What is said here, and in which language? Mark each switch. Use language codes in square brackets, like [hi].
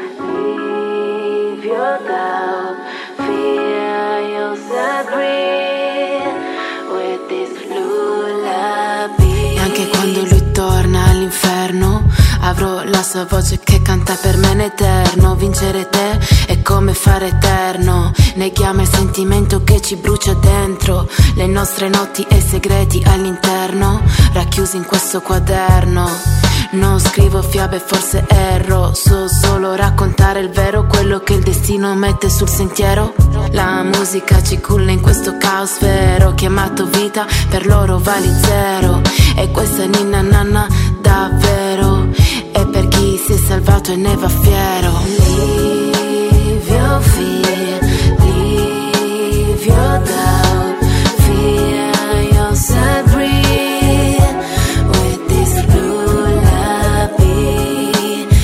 [en] Leave your fear, leave your doubt, fear you'll agree with this lullaby. [it] E anche quando lui torna all'inferno, avrò la sua voce che canta per me in eterno. Vincere te è come fare eterno. Neghiamo il sentimento che ci brucia dentro. Le nostre notti e segreti all'interno, racchiusi in questo quaderno. Non scrivo fiabe, forse erro. So solo raccontare il vero, quello che il destino mette sul sentiero. La musica ci culla in questo caos vero. Chiamato vita, per loro vali zero. E questa è ninna nanna davvero. E per chi si è salvato e ne va fiero. [en] Leave your fear, leave your doubt, fear yourself, breathe with this lullaby.